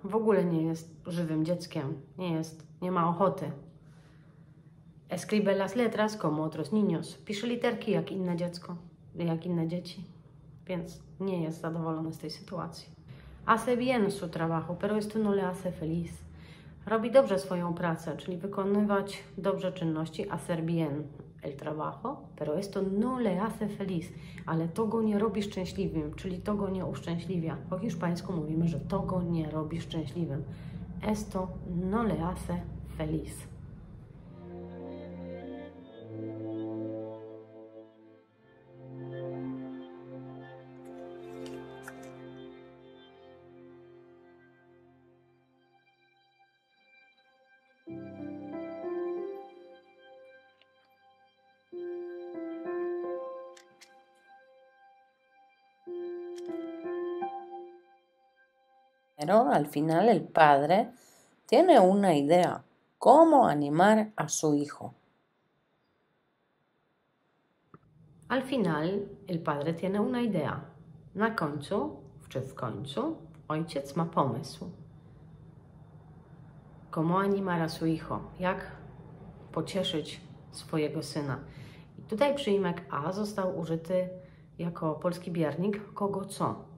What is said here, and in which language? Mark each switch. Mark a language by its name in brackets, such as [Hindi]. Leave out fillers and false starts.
[Polish] W ogóle nie jest żywym dzieckiem. Nie jest, nie ma ochoty. [Spanish] Escribe las letras como otros niños. [Polish] Pisze literki jak inne dziecko, jak inne dzieci. Więc nie jest zadowolony z tej sytuacji. [Spanish] Hace bien su trabajo, pero esto no le hace feliz. [Polish] Robi dobrze swoją pracę, czyli wykonywać dobrze czynności. [Spanish] Hacer bien el trabajo, pero esto no le hace feliz. [Polish] Ale to go nie robi szczęśliwym, czyli to go nie uszczęśliwia. Po hiszpańsku mówimy, że to go nie robi szczęśliwym. [Spanish] Esto no le hace feliz. Pero al final el padre tiene una idea, cómo animar a su hijo. Al final el padre tiene una idea. [Polish] Na końcu, czy w końcu, ojciec ma pomysł. [Spanish] Cómo animar a su hijo, [Polish] jak pocieszyć swojego syna. I tutaj przyimek a został użyty jako polski biernik kogo co.